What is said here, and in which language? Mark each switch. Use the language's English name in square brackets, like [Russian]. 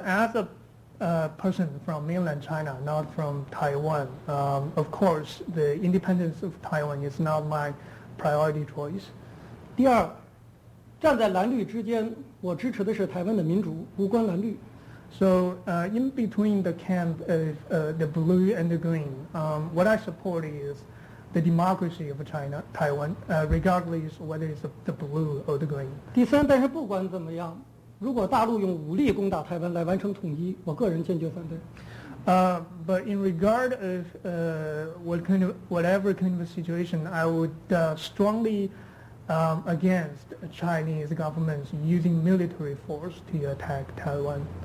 [English] as a person from mainland China, not from Taiwan, of course, the independence of Taiwan is not my priority choice. [Chinese] 第二，站在蓝绿之间，我支持的是台湾的民主，无关蓝绿。 [English] So in between the camp of the blue and the green, what I support is the democracy of China, Taiwan, regardless whether it's the blue or the green. [Chinese] 第三，但是不管怎么样。如果大陆用武力攻打台湾来完成统一，我个人坚决反对。 [English] But in regard of whatever kind of situation, I would strongly against Chinese government using military force to attack Taiwan.